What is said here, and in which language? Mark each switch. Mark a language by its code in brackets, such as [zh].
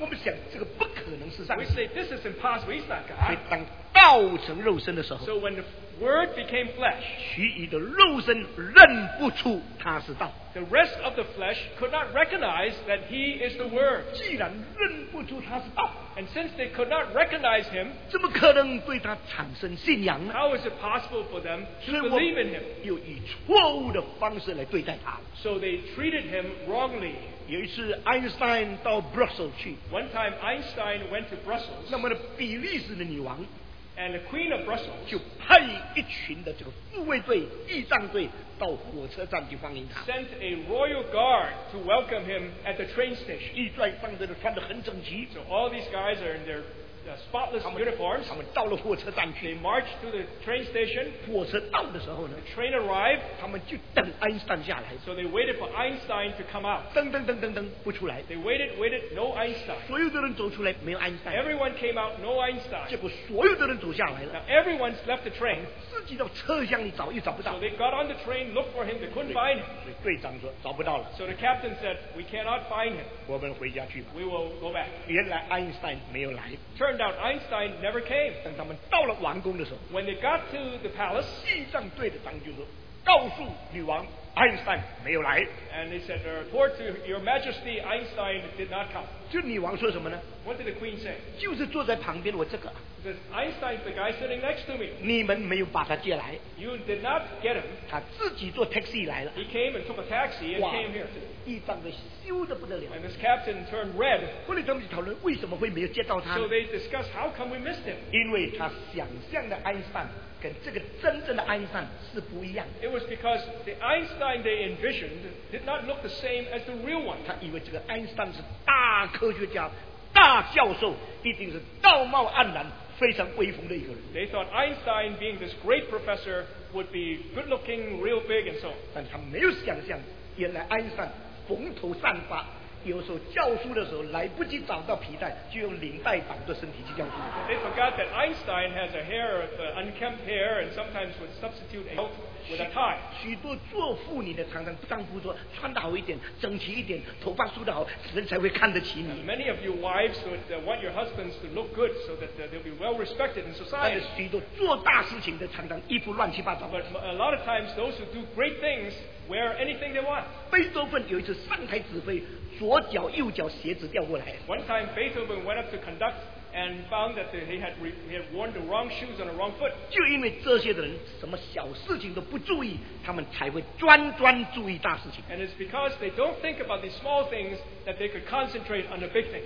[en] We say this is impossible, he's not God. [zh] 道成肉身的时候, [en] so when the word became flesh, [zh] 其余的肉身认不出他是道, [en] the rest of the flesh could not recognize that he is the word. [zh] 既然认不出他是道, [en] and since they could not recognize him, [zh] 怎么可能对他产生信仰呢? [en] How is it possible for them to believe in him? [zh] 又以错误的方式来对待他, [en] so they treated him wrongly. [zh] 有一次爱因斯坦到 Brussels 去, [en] one time Einstein went to Brussels, [zh] 那么比利时的女王, [en] and the Queen of Brussels, [zh] 就派一群的这个护卫队、仪仗队到火车站去欢迎他。 [en] Sent a royal guard to welcome him at the train station. [zh] 仪仗队都穿得很整齐。 [en] So all these guys are in their spotless uniforms. [zh] 他们到了火车站去。 [en] They march to the train station. [zh] 火车到的时候呢 [en] ，the train arrived. [zh] 他们就等爱因斯坦下来。 [en] So they waited for Einstein to come out. [zh] 等，不出来。 [en] They waited, no Einstein. [zh] 所有的人走出来，没有爱因斯坦。 [en] Everyone came out, no Einstein. [zh] 结果所有的人走下来了。 [en] Now everyone's left the train. [zh] 自己到车厢里找，又找不到。 [en] So they got on the train, looked for him, they couldn't find him. [zh] 队长说找不到了。 [en] So the captain said, we cannot find him. [zh] 我们回家去吧。 [en] We will go back. [zh] 原来爱因斯坦没有来。 [en] Turned out Einstein never came. [zh] 等他们到了王宫的时候， [en] when they got to the palace, [zh] 仪仗队的当就说，告诉女王， Einstein 没有来。 [en] And they said, report to your majesty, Einstein did not come. [zh] 就女王说什么呢？ [en] What did the queen say? [zh] 就是坐在旁边我这个。 [en] Because Einstein's the guy sitting next to me. [zh] 你们没有把他接来。 [en] You did not get him. [zh] 他自己坐 taxi 来了。 [en] He came and took a taxi and came here too. [zh] 一仗的羞得不得了。 [en] And this captain turned red. [zh] 后来他们就讨论为什么会没有接到他。 [en] So they discussed how come we missed him. [zh] 因为他想象的爱因斯坦跟这个真正的爱因斯坦是不一样的。 [en] It was because the Einstein they envisioned did not look the same as the real one. [zh] 他以为这个爱因斯坦是大科学家、大教授，一定是道貌岸然、非常威风的一个人。 [en] They thought Einstein being this great professor would be good-looking, real big, and so. [zh] 但他没有想象，原来爱因斯坦。蓬头散发，有时候教书的时候来不及找到皮带，就用领带绑着身体去教书。 [en] They forgot that Einstein has a hair of unkempt hair, and sometimes would substitute a belt with a tie. [zh] 许多做妇女的常常丈夫说，穿得好一点，整齐一点，头发梳得好，人才会看得起你。 [en] And many of your wives would want your husbands to look good so that they'll be well respected in society. [zh] 但是许多做大事情的常常衣服乱七八糟。 [en] But a lot of times those who do great things. Wear anything they want. [zh] 贝多芬有一次上台指挥，左脚右脚鞋子掉过来。 [en] One time Beethoven went up to conduct and found that he had worn the wrong shoes on the wrong foot. [zh] 就因为这些的人什么小事情都不注意，他们才会专专注意大事情。 [en] And it's because they don't think about these small things that they could concentrate on the big things.